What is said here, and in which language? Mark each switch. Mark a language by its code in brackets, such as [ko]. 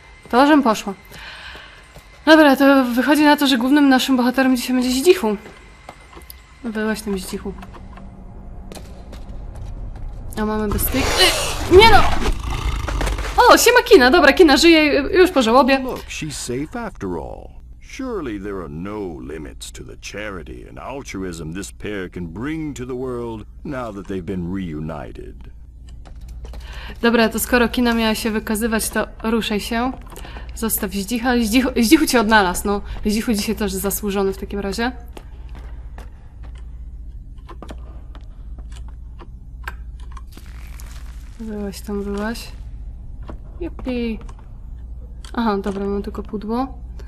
[pl] To, żem poszła. Dobra, to wychodzi na to, że głównym naszym bohaterem dzisiaj będzie Zdzichu. Byłaś tym Zdzichu. A mamy bez tych... nie no! O, siema kina! Dobra, kina żyje, już po żałobie. [en] Look, she's safe after all. Surely there are no limits to the charity and altruism this pair can bring to the world now that they've been reunited. [pl] Dobra, to skoro kina miała się wykazywać, to ruszaj się. Zostaw Zdzicha. Zdzichu cię odnalazł, no. Zdzichu dzisiaj też zasłużony w takim razie. Byłaś tam, byłaś. Jupi. Aha, dobra, mam tylko pudło.